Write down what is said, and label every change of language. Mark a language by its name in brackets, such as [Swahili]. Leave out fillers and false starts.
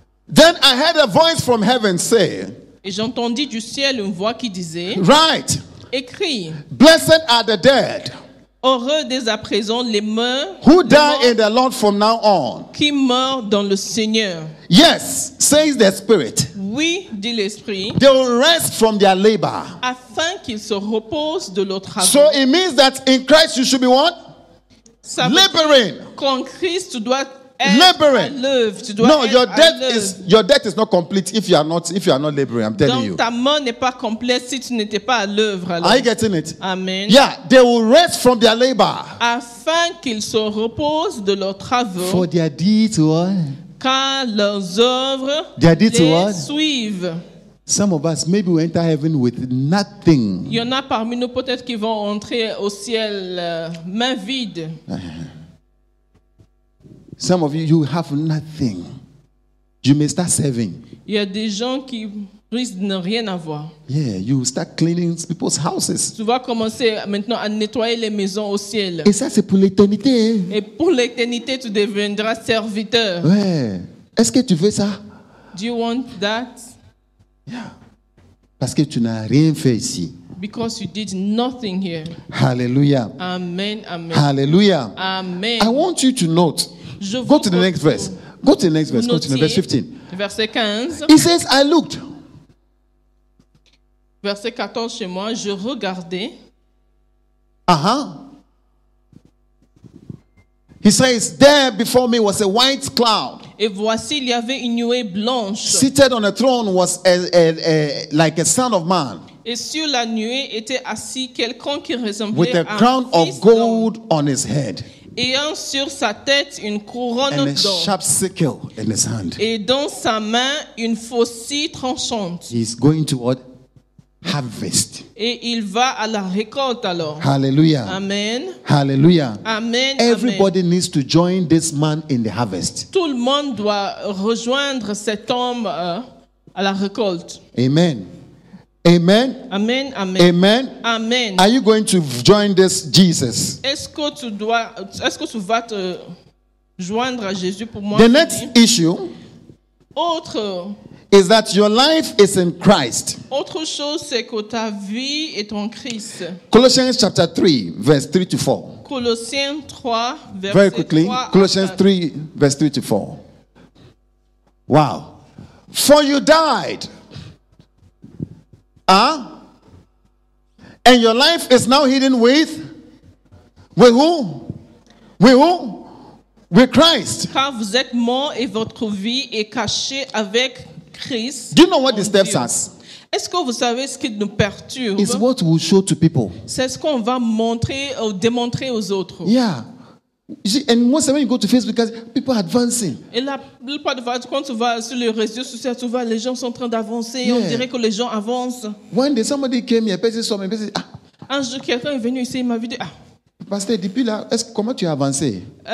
[English] Then I heard a voice from heaven say... [French] Et j'entendis du ciel une voix qui disait [English] right. [French] Écris. [English] Blessed are the dead. [French] Heureux dès à présent les morts. [English] Who die in the Lord from now on. [French] Qui meurent dans le Seigneur. [English] Yes, says the Spirit. [French] Oui, dit l'Esprit. [English] They will rest from their labor. [French] Afin qu'ils se reposent de leur travail. [English] So it means that in Christ you should be what? Laboring. [French] Qu'en Christ tu dois [English] laboring. [French] Love, tu dois [English] no, your debt is not complete if you are not laboring. I'm telling [French] donc, [English] you. [French] Ta main n'est pas complète si tu n'étais pas à l'œuvre. [English] Are you getting it? Amen. Yeah, they will rest from their labor. [French] Afin qu'ils se reposent de leurs travaux. [English] For their deeds what? [French] Car leurs œuvres les suivent. [English] Some of us maybe we enter heaven with nothing. [French] Il y en a parmi nous peut-être qui vont entrer au ciel main vide. [English] Some of you have nothing. You may start serving. [French] Il y a des gens qui risquent de ne rien avoir. [English] Yeah, you start cleaning people's houses. [French] Tu vas commencer maintenant à nettoyer les maisons au ciel. Et ça, c'est pour l'éternité. Et pour l'éternité, tu deviendras serviteur. Ouais. Est-ce que tu veux ça? [English] Do you want that? [French] Yeah. Parce que tu n'as rien fait ici. [English] Because you did nothing here. Hallelujah. Amen, amen. Hallelujah. Amen. I want you to note. Go to the next verse. Go to the next verse. Go to the verse 15. [French] Verset 15. [English] He says, I looked. [French] Verset 14 chez moi, je regardais. [English] He says, there before me was a white cloud. [French] Et voici, il y avait une nuée blanche. [English] Seated on a throne was a like a son of man. [French] Et sur la nuée était assis quelqu'un qui ressemblait [English] with a crown of gold on his head. [French] Ayant sur sa tête une couronne [English] and [French] d'or. [English] A sharp sickle in his hand. [French] Et dans sa main une faucille tranchante. [English] He's going toward harvest. [French] Et il va à la récolte alors. Hallelujah. Amen. Hallelujah. Amen. [English] Everybody amen. Needs to join this man in the harvest. [French] Tout le monde doit rejoindre cet homme à la récolte. Amen. Amen. Amen. Amen. Amen. Amen. [English] Are you going to join this Jesus? [French] Est-ce que tu vas te joindre à Jésus pour moi? [English] The next issue. [French] Autre. [English] Is that your life is in Christ. [French] Autre chose, c'est que ta vie est en Christ. [English] Colossians chapter 3, verse 3 to 4. [French] Colossiens 3, verse [English] very quickly. 3 Colossians 3, verse 3 to 4. Wow. For you died. And your life is now hidden with who? With who? With Christ. [French] Car vous êtes mort et votre vie est cachée avec Christ. [English] Do you know what disturbs us? [French] Est-ce que vous savez ce qui nous perturbe? [English] It's what we'll show to people. [French] C'est ce qu'on va montrer ou démontrer aux autres. [English] Yeah. And most of when you go to Facebook, people are advancing. [French] Et la plupart de fois, quand tu vas sur les réseaux sociaux, tu vois les gens sont en train d'avancer. Yeah. On dirait que les gens avancent. [English] One day, somebody came here, person saw me, person said, ah. [French] Un jour, quelqu'un est venu ici, il m'a vu dire, ah. Pasteur, depuis là, comment tu as avancé?